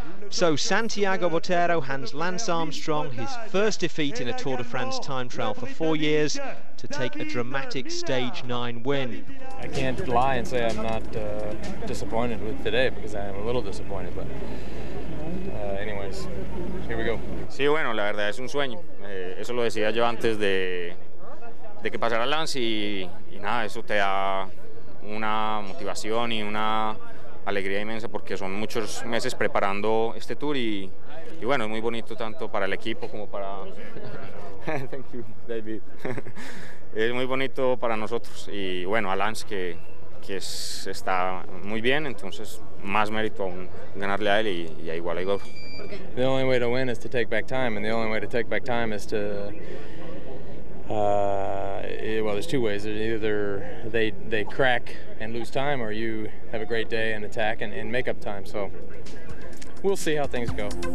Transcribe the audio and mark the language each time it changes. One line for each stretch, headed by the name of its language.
English: So Santiago Botero hands Lance Armstrong his first defeat in a Tour de France time trial for 4 years to take a dramatic Stage 9 win. I can't lie and say I'm not disappointed with today, because I am a little disappointed, but anyways, here we go.
Spanish: Sí, bueno, la verdad es un sueño. Eso lo decía yo antes de que pasara Lance, y nada, eso te da una motivación y una alegría inmensa, porque son muchos meses preparando este tour, y bueno, es muy bonito tanto para el equipo como para
English: Thank you, David.
Spanish: Es muy bonito para nosotros, y bueno, a Lance que es, está muy bien, entonces más mérito aún ganarle a él, y a igual a Igor.
English: The only way to win is to take back time, and the only way to take back time is to there's 2 ways. Either they crack and lose time, or you have a great day and attack and make up time. So we'll see how things go.